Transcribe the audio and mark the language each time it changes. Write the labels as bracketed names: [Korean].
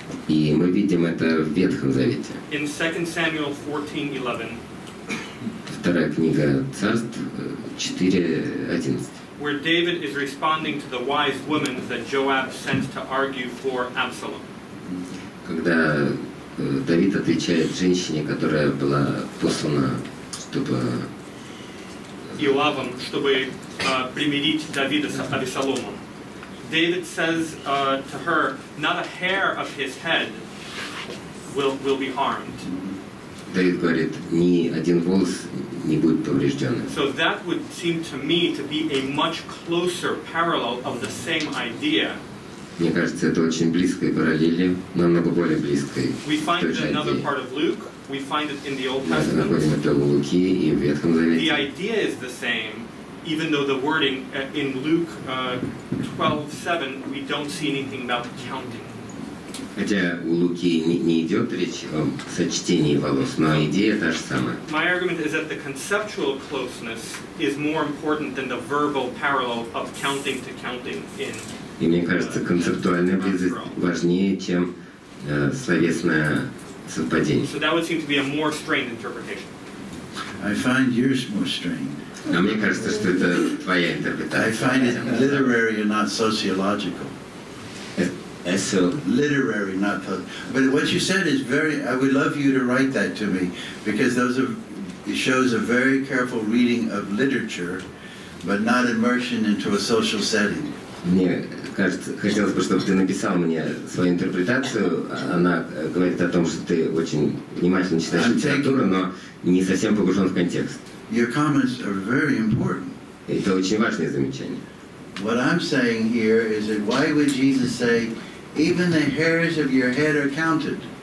[English] In 2 Samuel 14:11, [Russian] вторая книга царств 4:11. [English] Where David is responding to the wise woman that Joab sent to argue for Absalom. [Russian] Когда Давид отвечает женщине, которая была послана, чтобы Иоавом, чтобы примирить Давида с Абисаломом. [English] David says to her, "Not a hair of his head will be harmed." [Russian] Давид говорит, ни один волос не будет поврежден. [English] So that would seem to me to be a much closer parallel of the same idea. [Russian] Мне кажется, это очень близкая параллель, намного более близкая. [English] We find it in another part of Luke. We find it in the Old Testament. [Russian] Мы находим это в Луке и в Ветхом Завете. [English] The idea is the same, even though the wording in Luke 12:7 we don't see anything about counting. [Russian] Хотя у Луки не идет речь о сочтении волос, но идея та же самая. [English] My argument is that the conceptual closeness is more important than the verbal parallel of counting to counting in. [Russian] И мне кажется, концептуальная близость важнее, чем словесное совпадение. [English] So that would seem to be a more strained interpretation. I find yours more strained. [Russian] А мне кажется, что это твоя интерпретация. [English] I find it literary and not sociological. So literary, not public. But what you said is very. I would love you to write that to me, because it shows a very careful reading of literature, but not immersion into a social setting. [Russian] Мне кажется, хотелось бы, чтобы ты написал мне свою интерпретацию. Она говорит о том, что ты очень внимательно читаешь литературу, но не совсем погружен в контекст. [English] Your comments are very important. [Russian] Это очень важное замечание. [English] What I'm saying here is that why would Jesus say, even the hairs of your head are counted?